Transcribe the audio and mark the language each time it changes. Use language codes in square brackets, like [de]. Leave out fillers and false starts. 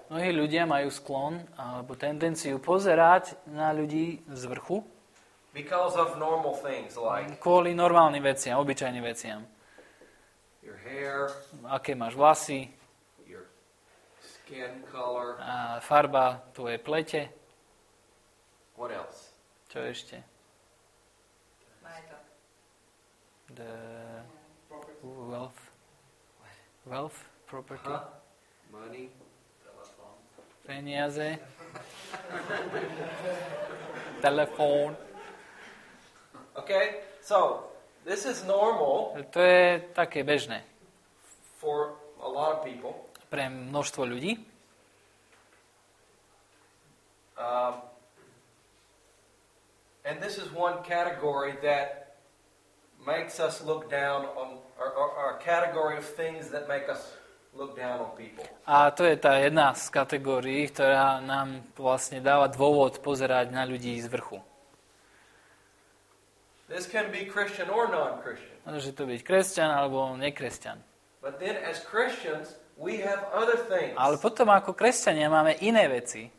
[sk] Mnohí ľudia majú sklon alebo tendenciu pozerať na ľudí z vrchu. [en] Because of normal things like. [sk] Kvôli normálnym veciam, obyčajným veciam. [en] Your hair. [sk] Aké máš vlasy. [en] Your skin color. [sk] A farba tvojej plete. [en] What else? [sk] Čo ešte? [en] The wealth. What? Wealth? Property? Huh? Money? Telephone? Peniaze? Telephone? Okay, so, this is normal. [sk] To je také bežné. [en] For a lot of people. [sk] Pre množstvo ľudí. [en] And this is one category that makes us look down on our category of things that make us look down on people. [sk] A to je tá jedna z kategórií, ktorá nám vlastne dáva dôvod pozerať na ľudí z vrchu. [en] This can be Christian or non-Christian. [sk] Môže to byť kresťan alebo nekresťan. [en] But then as Christians, we have other things. [sk] Ale potom ako kresťania máme iné veci.